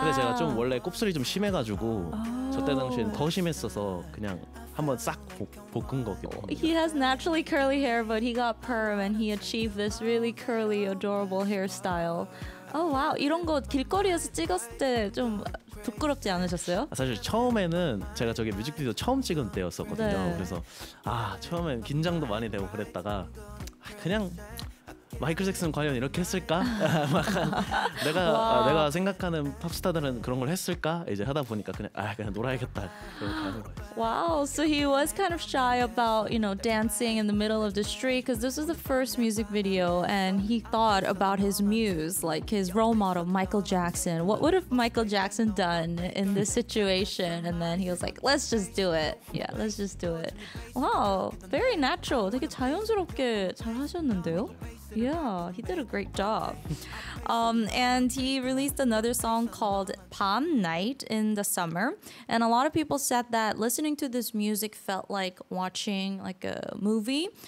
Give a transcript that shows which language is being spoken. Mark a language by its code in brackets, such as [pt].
[ko] 근데 제가 좀 원래 곱슬이 좀 심해가지고 저때 당시엔 더 심했어서 그냥 한번 싹 볶은 거죠. [en] He has naturally curly hair, but he got perm and he achieved this really curly, adorable hairstyle. Oh, wow. [ko] 이런 거 길거리에서 찍었을 때 좀 부끄럽지 않으셨어요? 사실 처음에는 제가 저기 뮤직비디오 처음 찍은 때였었거든요. 네. 그래서 처음엔 긴장도 많이 되고 그랬다가 그냥 마이클 잭슨 과연 이렇게 했을까? 내가 생각하는 팝스타들은 그런 걸 했을까? 이제 하다 보니까 그냥 놀아야겠다. [en] 와우, so he was kind of shy about, you know, dancing in the middle of the street because this was the first music video and he thought about his muse, like his role model, Michael Jackson. What would have Michael Jackson done in this situation? And then he was like, let's just do it. Yeah, let's just do it. Wow, very natural. [ko] 되게 자연스럽게 잘하셨는데요? [en] Yeah, he did a great job. And he released another song called Palm Night in the summer. And a lot of people said that listening to this music felt like watching like a movie.